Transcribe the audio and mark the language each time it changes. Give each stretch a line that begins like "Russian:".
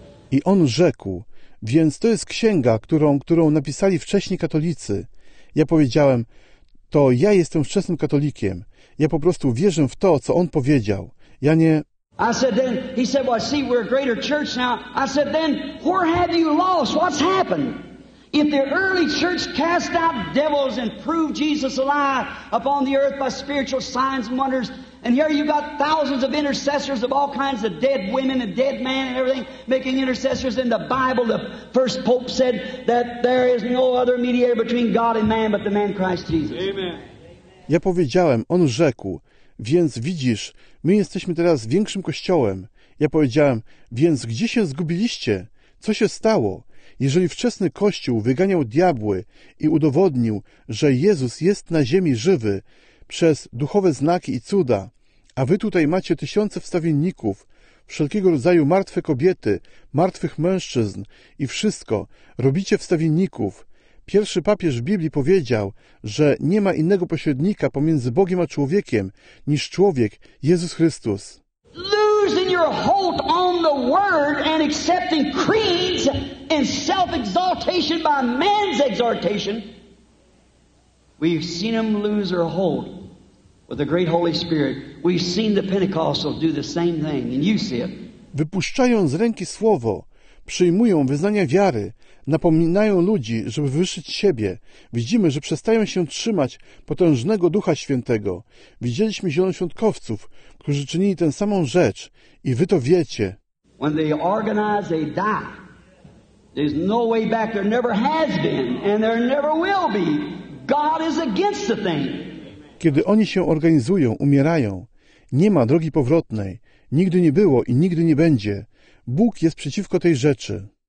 Polish: I on rzekł, więc to jest księga, którą napisali wcześniej katolicy. Ja powiedziałem, to ja jestem wczesnym katolikiem. Ja po prostu wierzę w to, co on powiedział. Ja nie...
English: I said then, he said, well, see, we're a greater church now. I said then, where have you lost? What's happened? If the early church cast out devils and proved Jesus alive upon the earth by spiritual signs and wonders, and here you got thousands of intercessors of all kinds of dead women and dead men and everything making intercessors in the Bible. The first pope said that there is no other mediator between God and man but the man Christ Jesus. Amen.
Polish: Ja powiedziałem, on rzekł, więc widzisz, my jesteśmy teraz większym kościołem. Ja powiedziałem, więc gdzie się zgubiliście? Co się stało? Jeżeli wczesny Kościół wyganiał diabły i udowodnił, że Jezus jest na ziemi żywy przez duchowe znaki i cuda, a wy tutaj macie tysiące wstawienników, wszelkiego rodzaju martwe kobiety, martwych mężczyzn i wszystko, robicie wstawienników. Pierwszy papież w Biblii powiedział, że nie ma innego pośrednika pomiędzy Bogiem a człowiekiem niż człowiek, Jezus Chrystus.
English: losing your hold on the word and accepting creeds and self-exaltation by man's exhortation. We've seen them lose their hold with the great Holy Spirit. We've seen the Pentecostals do the same thing, and you see it.
Polish: Wypuszczają z ręki słowo, przyjmują wyznania wiary, napominają ludzi, żeby wyszyć siebie. Widzimy, że przestają się trzymać potężnego Ducha Świętego. Widzieliśmy zielonoświątkowców, którzy czynili tę samą rzecz i wy to wiecie.
English: When they organize, they die. There's no way back. There never has been and there never will be. God is against the thing.
Polish: Kiedy oni się organizują, umierają. Nie ma drogi powrotnej. Nigdy nie było i nigdy nie będzie. Bóg jest przeciwko tej rzeczy.